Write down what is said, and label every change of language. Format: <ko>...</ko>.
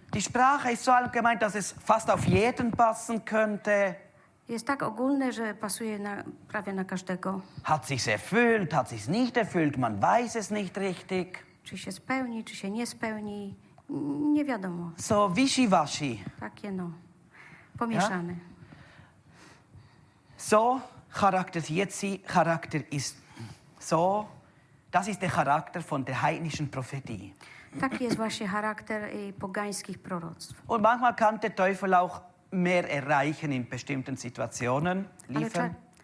<de>Die Sprache ist so allgemein, dass es fast auf jeden passen könnte.</de> <pl>Jest tak ogólne, że pasuje na, prawie na każdego.</pl> <de>Hat sich's erfüllt, hat sich's nicht erfüllt, man weiß es nicht richtig.</de> <pl>Czy się spełni, czy się nie spełni, nie wiadomo.</pl> <de>So wischiwaschi.</de> <pl>Takie no, pomieszane.</pl> <de>Ja? So charakter jetzi, charakter ist so, das ist der Charakter von der heidnischen Prophetie.</de> <pl>Taki jest właśnie charakter pogańskich proroctw.</pl> <de>Und manchmal kann der Teufel auch mehr erreichen in bestimmten Situationen, liefern.</de>